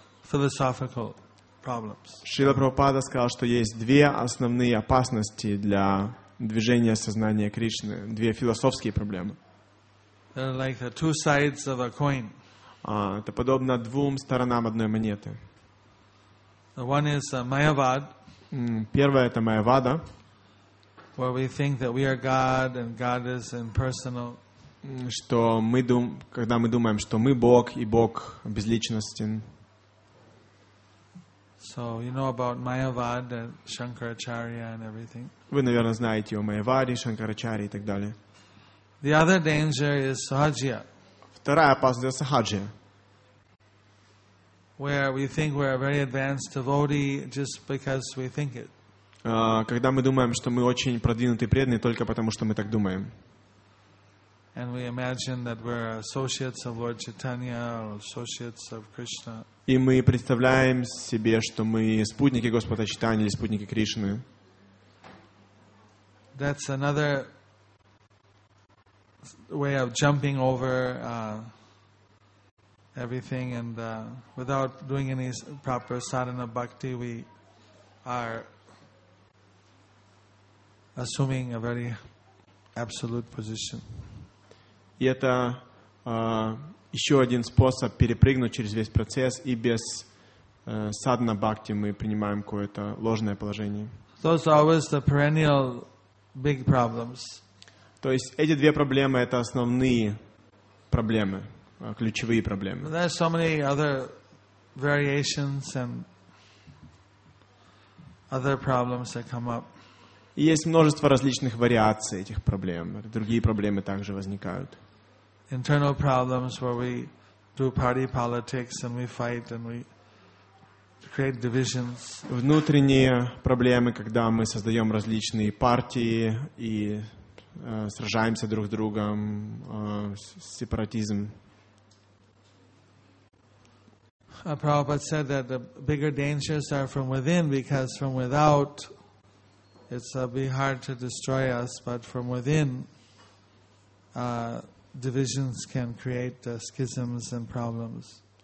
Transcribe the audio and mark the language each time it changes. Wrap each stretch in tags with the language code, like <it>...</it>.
<en>Philosophical problems.</en> <ru>Шрила Прабхупада сказал, что есть две основные опасности для движения сознания Кришны, две философские проблемы.</ru> <en>They're like the two sides of a coin.</en> <ru>Это подобно двум сторонам одной монеты.</ru> <en>The one is Mayavad.</en> <ru>Первая это Майявада.</ru> <en>Where we think that we are God and God is impersonal.</en> <ru>что мы когда мы думаем, что мы Бог и Бог безличностен.</ru> <en>So you know about Mayavad and Shankaracharya and everything.</en> <ru>Вы, наверное, знаете о Майяваде, Шанкарачарье и так далее.</ru> <en>The other danger is Sahajya.</en> <ru>Вторая опасность — это Сахаджия.</ru> <en>Where we think we're a very advanced devotee just because we think it.</en> <ru>Когда мы думаем, что мы очень продвинутые преданные только потому, что мы так думаем.</ru> <en>And we imagine that we're associates of Lord Chaitanya or associates of Krishna.</en> <ru>И мы представляем себе, что мы спутники Господа Чайтаньи или спутники Кришны.</ru> <en>That's another way of jumping over everything, and without doing any proper sadhana bhakti, we are assuming a very absolute position.</en> <ru>И это еще один способ перепрыгнуть через весь процесс, и без садхана бхакти мы принимаем какое-то ложное положение.</ru> <en>Those are always the perennial big problems.</en> <ru>То есть эти две проблемы — это основные проблемы, ключевые проблемы.</ru> <en>There are so many other variations and other problems that come up.</en> <ru>И есть множество различных вариаций этих проблем. Другие проблемы также возникают.</ru> <en>Internal problems where we do party politics and we fight and we create divisions.</en> <ru>Внутренние проблемы, когда мы создаем различные партии и сражаемся друг с другом, сепаратизм.</ru> <en>Prabhupada said that the bigger dangers are from within, because from without it's be hard to destroy us, but from within divisions can create schisms and problems.</en>